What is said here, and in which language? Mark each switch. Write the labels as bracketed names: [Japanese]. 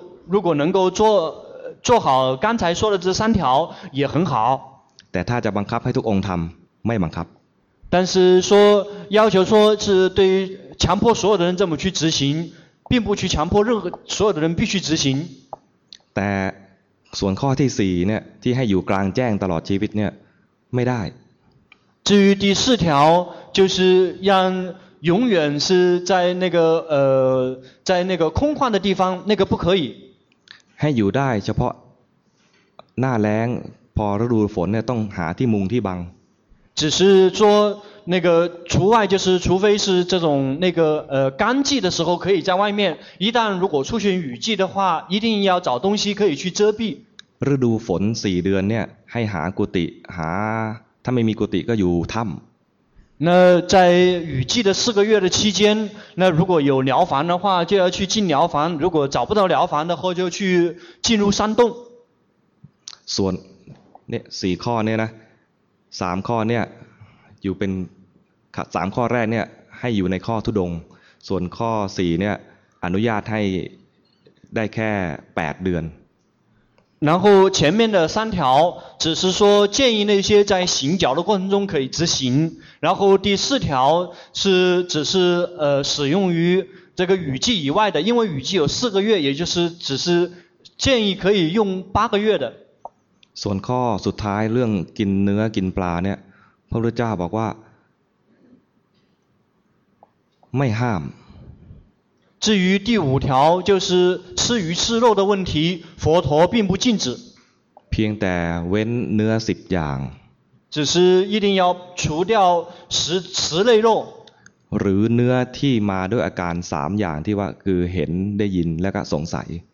[Chinese] 如果能够做好刚才说的这三条也很好 [Thai] แต่ถ้าจะบังคับให้ทุกองค์ทำไม่บังคับ [Chinese] 但是说要求说是对于强迫所有的人这么去执行并不去强迫任何所有的人必须执行 [Thai] แต่ส่วนข้อที่4เนี่ยที่ให้อยู่กลางแจ้งตลอดชีวิตเนี่ยไม่ได้ [Chinese] 至于第四条就是让永远是在那个在那个空旷的地方那个不可以 [Thai] ให้อยู่ได้เฉพาะหน้าแล้งพอฤดูฝนเนี่ยต้องหาที่มุงที่บัง [Chinese] 只是说那个除外就是除非是这种那个干季的时候可以在外面一旦如果出现雨季的话一定要找东西可以去遮蔽 [Thai] ฤดูฝน4เดือนเนี่ยให้หากุฏิหาถ้าไม่มีกุฏิก็อยู่ถ้ำ [Chinese] 那在雨季的四个月的期间那如果有寮房的话就要去进寮房如果找不到寮房的话就去进入山洞 [Thai] ส่วนเนี่ย4ข้อเนี่ยนะ3ข้อเนี่ยอยู่เป็น3ข้อแรกเนี่ยให้อยู่ในข้อทุดงส่วนข้อ4เนี่ยอนุญาตให้ได้แค่8เดือน [Chinese] 然后前面的三条只是说建议那些在行脚的过程中可以执行然后第四条是只是使用于这个雨季以外的因为雨季有四个月也就是只是建议可以用八个月的 [Thai] ส่วนข้อสุดท้ายเรื่องกินเนื้อกินปลาเนี่ยพระพุทธเจ้าบอกว่าไม่ห้าม [Chinese] 至于第五条就是吃鱼吃肉的问题佛陀并不禁止 [Thai] เพียงแต่เว้นเนื้อ10อย่าง [Chinese] 只是一定要除掉十类肉 [Thai] หรือเนื้อที่มาด้วยอาการ3อย่างที่ว่าคือเห็นได้ยินแล้วก็สงสัย